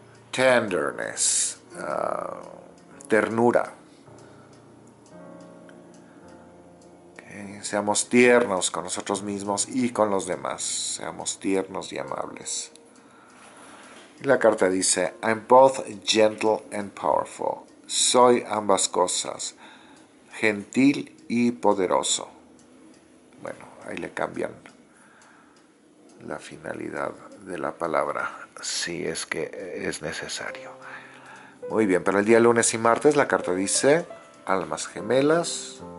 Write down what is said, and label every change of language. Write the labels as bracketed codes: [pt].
[en] Tenderness. [es] Ternura. Okay. Seamos tiernos con nosotros mismos y con los demás. Seamos tiernos y amables. La carta dice, [en] I'm both gentle and powerful. [es] Soy ambas cosas, gentil y poderoso. Bueno, ahí le cambian la finalidad de la palabra, si es que es necesario. Muy bien, para el día lunes y martes la carta dice almas gemelas.